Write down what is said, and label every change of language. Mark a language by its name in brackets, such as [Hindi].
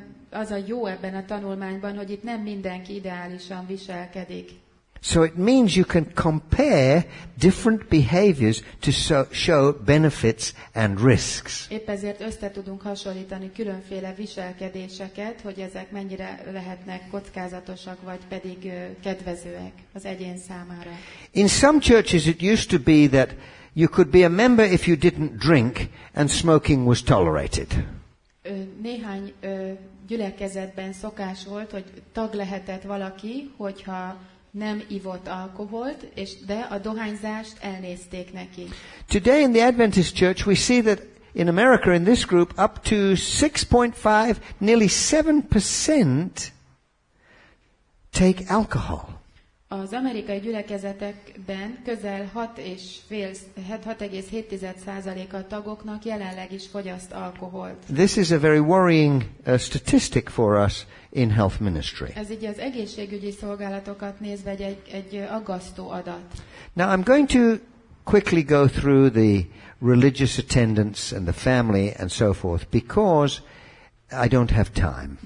[Hungarian] Az a jó ebben a tanulmányban, hogy itt nem mindenki ideálisan viselkedik. [English] So it means you can compare different behaviors to show benefits and risks. [Hungarian] Épp ezért össze tudunk hasonlítani különféle viselkedéseket, hogy ezek mennyire lehetnek kockázatosak vagy pedig kedvezőek az egyén számára. [English] In some churches it used to be that you could be a member if you didn't drink and smoking was tolerated. [Hungarian] Néhány gyülekezetben szokás volt, hogy tag lehetett valaki, hogyha nem ivott alkoholt, és de a dohányzást elnézték neki. [English] Today in the Adventist Church we see that in America in this group up to 6.5, nearly 7% take alcohol. [Hungarian] Az amerikai gyülekezetekben közel 6,7% a tagoknak jelenleg is fogyaszt alkoholt. [English] This is a very worrying statistic for us in health ministry. [Hungarian] Ez így az egészségügyi szolgálatokat nézve egy aggasztó adat. [English] Now I'm going to quickly go through the religious attendance and the family and so forth because I don't have time.